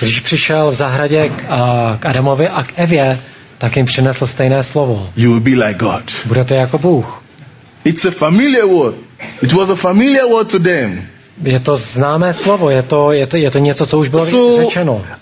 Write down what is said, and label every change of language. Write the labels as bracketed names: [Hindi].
[Czech] Když přišel v zahradě k Adamovi a k Evě, tak jim přinesl stejné slovo. [English] You will be like God. [Czech] Budete jako Bůh. [English] It's a familiar word. It was a familiar word to them. [Czech] Je to známé slovo. Je to něco, co už bylo řečeno.